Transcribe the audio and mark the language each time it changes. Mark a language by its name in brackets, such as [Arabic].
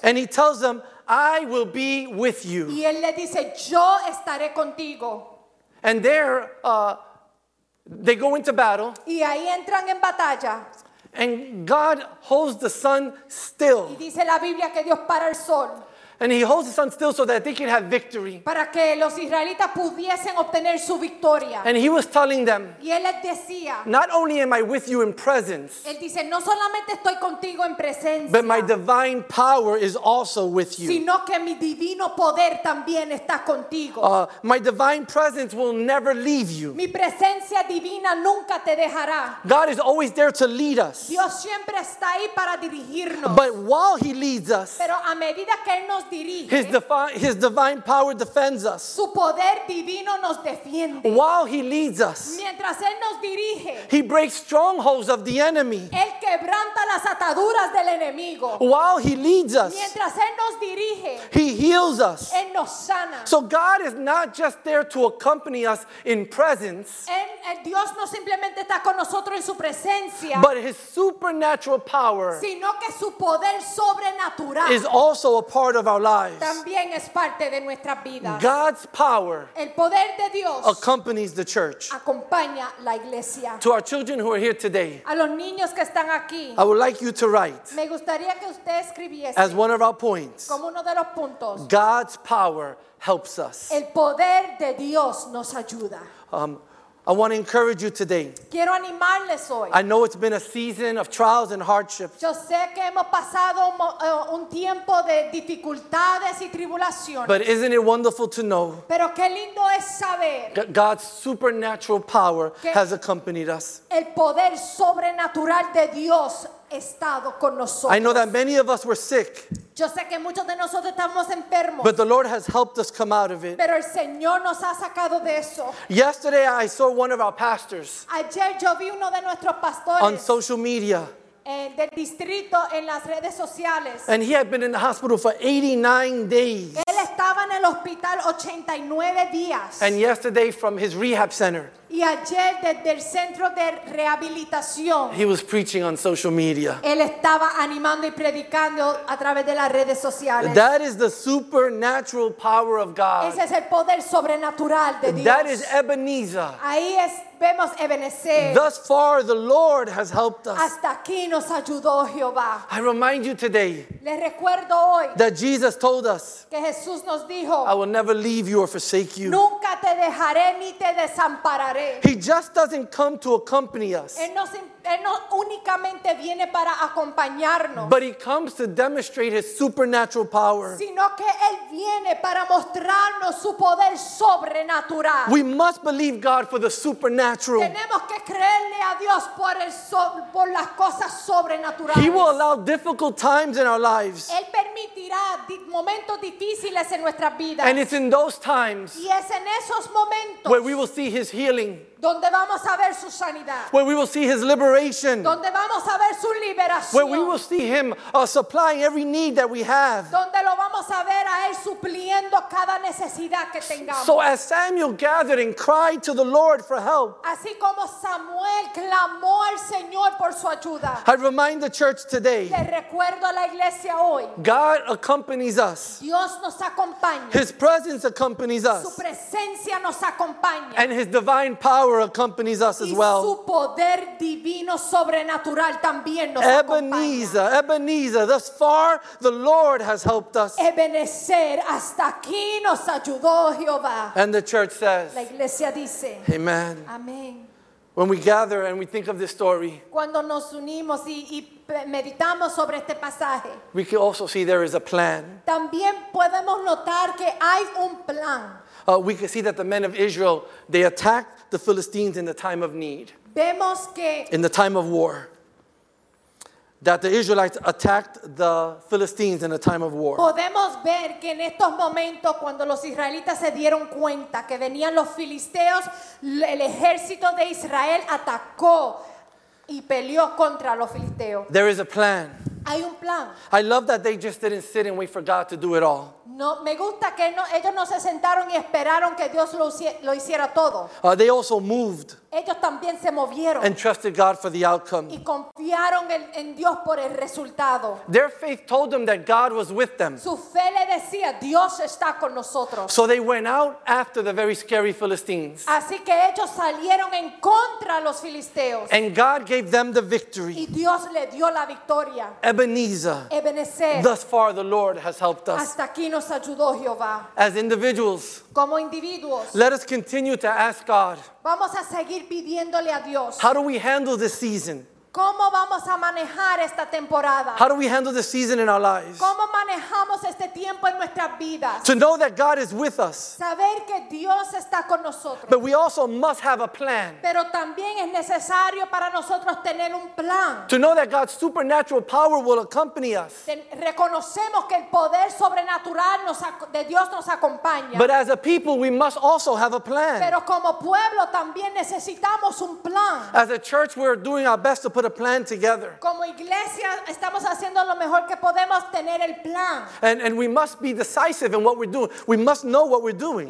[English] And he tells them, I will be with you. [Spanish] Y él le dice, yo estaré contigo. [English] And there, they go into battle. [Spanish] Y ahí entran en batalla. [English] And God holds the sun still. [Spanish] Y dice la Biblia que Dios para el sol. [English] And he holds the sun still so that they could have victory. [Spanish] Para que los israelitas pudiesen obtener su victoria. [English] And he was telling them, [Spanish] y él les decía, [English] not only am I with you in presence, [Spanish] él dice, no solamente estoy contigo en presencia, [English] but my divine power is also with you. [Spanish] Sino que mi divino poder también está contigo. [English] My divine presence will never leave you. [Spanish] Mi presencia divina nunca te dejará. [English] God is always there to lead us. [Spanish] Dios siempre está ahí para dirigirnos. [English] But while he leads us, [Spanish] pero a medida que él nos [English] His divine power defends us. [Spanish] Su poder divino nos defiende. [English] While he leads us, [Spanish] mientras él nos dirige, [English] he breaks strongholds of the enemy. [Spanish] Él quebranta las ataduras del enemigo. [English] While he leads us, [Spanish] mientras él nos dirige, [English] he heals us. [Spanish] Él nos sana. [English] So God is not just there to accompany us in presence. [Spanish] El Dios no simplemente está con nosotros en su presencia, [English] but his supernatural power, [Spanish] sino que su poder sobrenatural, [English] is also a part of our lives. [Spanish] También es parte de nuestras vidas. [English] God's power, [Spanish] el poder de Dios, [English] accompanies the church. [Spanish] Acompaña la iglesia. [English] To our children who are here today, [Spanish] a los niños que están aquí, [English] I would like you to write, [Spanish] me gustaría que usted escribiese, [English] as one of our points, [Spanish] como uno de los puntos, [English] God's power helps us. [Spanish] El poder de Dios nos ayuda. [English] I want to encourage you today. [Spanish] Quiero animarles hoy. [English] I know it's been a season of trials and hardships. [Spanish] Yo sé que hemos pasado un tiempo de dificultades y tribulaciones. [English] But isn't it wonderful to know? [Spanish] Pero qué lindo es saber. [English] God's supernatural power has accompanied us. [Spanish] El poder sobrenatural de Dios ha estado con nosotros. [English] I know that many of us were sick. [Spanish] Yo sé que muchos de nosotros estamos enfermos. [English] But the Lord has helped us come out of it. [Spanish] Pero el Señor nos ha sacado de eso. [English] Yesterday I saw one of our pastors. [Spanish] Ayer yo vi uno de nuestros pastores. [English] On social media. [Spanish] Del distrito en las redes sociales. [English] And he had been in the hospital for 89 days. [Spanish] Él estaba en el hospital 89 días. [English] And yesterday from his rehab center. [Spanish] Y ayer desde el centro de rehabilitación. [English] He was preaching on social media. [Spanish] Él estaba animando y predicando a través de las redes sociales. [English] That is the supernatural power of God. [Spanish] Ese es el poder sobrenatural de Dios. [English] That is Ebenezer. [Spanish] Ahí es, vemos Ebenezer. [English] Thus far the Lord has helped us. [Spanish] Hasta aquí nos ayudó Jehová. [English] I remind you today. [Spanish] Les recuerdo hoy. [English] That Jesus told us. [Spanish] Que Jesús nos dijo. [English] I will never leave you or forsake you. [Spanish] Nunca te dejaré ni te desampararé. [English] He just doesn't come to accompany us. [Spanish] Él no únicamente viene para acompañarnos. [English] But he comes to demonstrate his supernatural power. [Spanish] Sino que él viene para mostrarnos su poder sobrenatural. [English] We must believe God for the supernatural. [Spanish] Tenemos que creerle a Dios por las cosas sobrenaturales. [English] He will allow difficult times in our lives. [Spanish] Él permitirá momentos difíciles en nuestras vidas. [English] And it's in those times. [Spanish] Y es en esos momentos. [English] Where we will see his healing. [Spanish] Donde vamos a ver su sanidad. [English] Where we will see his liberation. [Spanish] Donde vamos a ver su liberación. [English] Where we will see him supplying every need that we have. [Spanish] Donde lo vamos a ver a él supliendo cada necesidad que tengamos. [English] So as Samuel gathered and cried to the Lord for help. [Spanish] Así como Samuel clamó al Señor por su ayuda. [English] I remind the church today. [Spanish] Le recuerdo a la iglesia hoy. [English] God accompanies us. [Spanish] Dios nos acompaña. [English] His presence accompanies us. [Spanish] Su presencia nos acompaña. [English] And his divine power. Power accompanies us as well. [Spanish] Y su poder divino sobrenatural también nos Ebenezer, acompaña. [English] Ebenezer, thus far the Lord has helped us. [Spanish] Ebenezer, hasta aquí nos ayudó Jehová. [English] And the church says. [Spanish] La iglesia dice. [English] Amen. [Spanish] Amen. [English] When we gather and we think of this story. [Spanish] Cuando nos unimos y meditamos sobre este pasaje. [English] We can also see there is a plan. [Spanish] También podemos notar que hay un plan. [English] We can see that the men of Israel, they attacked the Philistines in the time of need. [Spanish] Vemos que [English] in the time of war. That the Israelites attacked the Philistines in a time of war. [Spanish] Podemos ver que en estos momentos cuando los israelitas se dieron cuenta que venían los filisteos, el ejército de Israel atacó y peleó contra los filisteos. [English] There is a plan. [Spanish] Hay un plan. [English] I love that they just didn't sit and wait for God to do it all. [Spanish] No, me gusta que no, ellos no se sentaron y esperaron que Dios lo hiciera todo. [English] They also moved. [Spanish] Ellos también se movieron. [English] And trusted God for the outcome. [Spanish] Y confiaron en Dios por el resultado. [English] Their faith told them that God was with them. [Spanish] Su fe le decía, Dios está con nosotros. [English] So they went out after the very scary Philistines. [Spanish] Así que ellos salieron en contra los filisteos. [English] And God gave them the victory. [Spanish] Y Dios le dio la victoria. [English] Ebenezer. [Spanish] Ebenezer. [English] Thus far the Lord has helped us. [Spanish] Hasta aquí nos ayudó Jehová. [English] As individuals. [Spanish] Como individuos. [English] Let us continue to ask God. [Spanish] Vamos a seguir pidiéndole a Dios. [English] How do we handle this season? [Spanish] ¿Cómo vamos a manejar esta temporada? [English] How do we handle this season in our lives? [Spanish] ¿Cómo manejamos este tiempo en nuestras vidas? [English] To know that God is with us. [Spanish] Saber que Dios está con nosotros. [English] But we also must have a plan. [Spanish] Pero también es necesario para nosotros tener un plan. [English] To know that God's supernatural power will accompany us. [Spanish] Reconocemos que el poder sobrenatural de Dios nos acompaña. [English] But as a people, we must also have a plan. [Spanish] Pero como pueblo también necesitamos un plan. [English] As a church, we're doing our best to put a plan together. [Spanish] Como iglesia estamos haciendo lo mejor que podemos tener el plan. [English] And we must be decisive in what we're doing. We must know what we're doing.